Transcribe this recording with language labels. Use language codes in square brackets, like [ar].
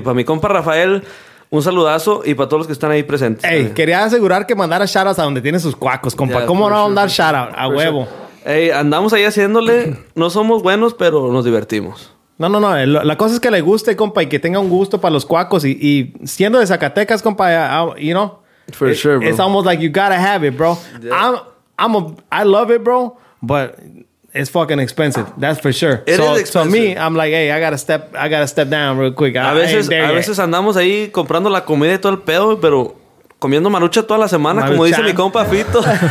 [es] Para mi compa Rafael, un saludazo y para todos los que están ahí presentes. Ey, quería asegurar que mandara shoutouts a donde tiene sus cuacos, compa. Yeah, ¿cómo no vamos a dar shoutout? A huevo. Sure. Ey, andamos ahí haciéndole. No somos buenos, pero nos divertimos. No. La cosa es que le guste, compa, y que tenga un gusto para los cuacos. Y siendo de Zacatecas, compa, [en] For sure, bro. It's almost like you gotta have it, bro. Yeah. I love it, bro, but it's fucking expensive. That's for sure. It is expensive. So me, I'm like, hey, I gotta step down real quick. [es] A veces andamos ahí comprando la comida y todo el pedo, pero comiendo marucha toda la semana, como dice mi compa Fito.